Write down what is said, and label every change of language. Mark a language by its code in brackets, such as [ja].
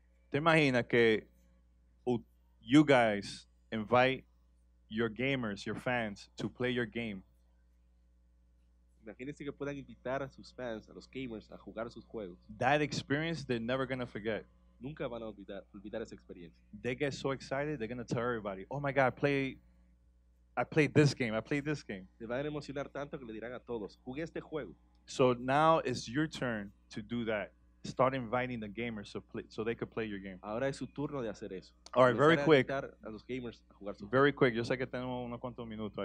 [es] ¿Te imaginas que [en] you guys invite your gamers, your fans, to play your game? [es] Imagínense que puedan invitar a sus fans, a los gamers, a jugar sus juegos. [en] That experience they're never gonna forget. [es] Nunca van a olvidar esa experiencia. [en] They get so excited, they're gonna tell everybody, "Oh my God, I played this game." [es] Se van a emocionar tanto que le dirán a todos, "Jugué este juego." [en] So now it's your turn to do that. Start inviting the gamers so they could play your game. [es] Ahora es su turno de hacer eso. [en] All right, very quick. [es] Invitar a los gamers a jugar su juego. [en] Very quick. [es] Yo sé que tenemos unos cuantos minutos.